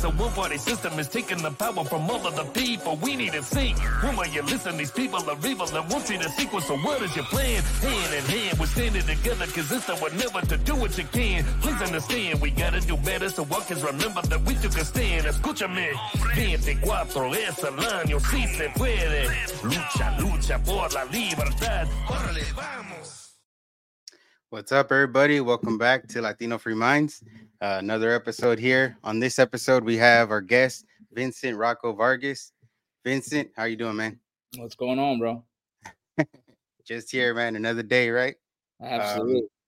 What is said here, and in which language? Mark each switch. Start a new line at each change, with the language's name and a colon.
English: The one party system is taking the power from all of the people. We need to see. Whom are you listening? These people are evil and want you to think. So what is your plan? Hand in hand, we're standing together, cause it's the one never to do what you can. Please understand, we gotta do better, so walkers remember that we took a stand.
Spanish: Escúchame. 24 es el año, si se puede. Lucha, lucha por la libertad. Órale, vamos.
English: What's up, everybody? Welcome back to Latino Free Minds. Another episode here. On this episode, we have our guest, Vincent Rocco Vargas. Vincent, how you doing, man? What's going on, bro? Just here, man. Another day, right? Absolutely.